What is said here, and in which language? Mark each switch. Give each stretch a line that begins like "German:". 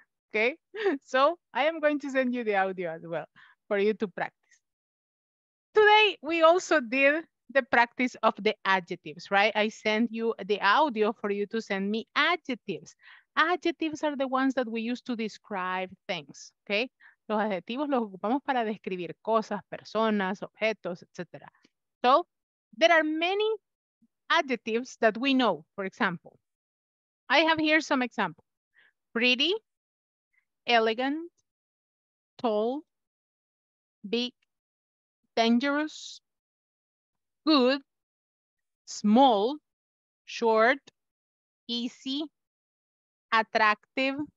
English: Okay, so I am going to send you the audio as well for you to practice. Today, we also did the practice of the adjectives, right? I send you the audio for you to send me adjectives. Adjectives are the ones that we use to describe things, okay?
Spanish: Los adjetivos los ocupamos para describir cosas, personas, objetos, etc.
English: So, there are many adjectives that we know, for example. I have here some examples. Pretty, elegant, tall, big, dangerous, good, small, short, easy, attractive,